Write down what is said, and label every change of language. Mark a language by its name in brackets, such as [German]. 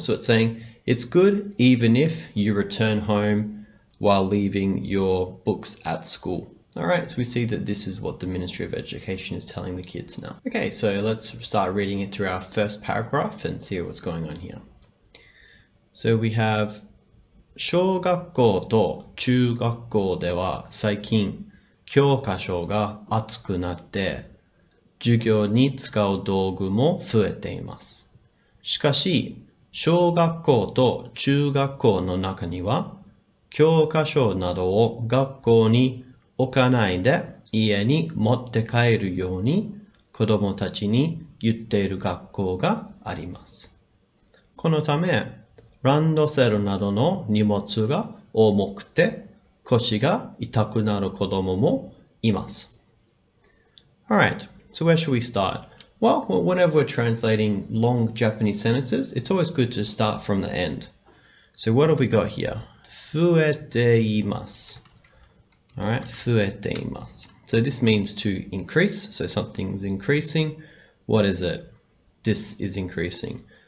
[English] So it's saying it's good even if you return home while leaving your books at school. All right, so we see that this is what the Ministry of Education is telling the kids now. Okay, so let's start reading it through our first paragraph and see what's going on here. So we have [Japanese] 小学校と中学校では最近教科書が熱くなって授業に使う道具も増えています。しかし、小学校と中学校の中には教科書などを学校に置かないで家に持って帰るように子供たちに言っている学校があります。このため、 ランドセルなどの荷物が重くて腰が痛くなる子供もいます。 [English] All right, so where should we start? Well, whenever we're translating long Japanese sentences, it's always good to start from the end. So what have we got here? [Japanese] 増えています。 [English] All right, [Japanese] 増えています。 [English] So this means to increase. So something's increasing. What is it? This is increasing.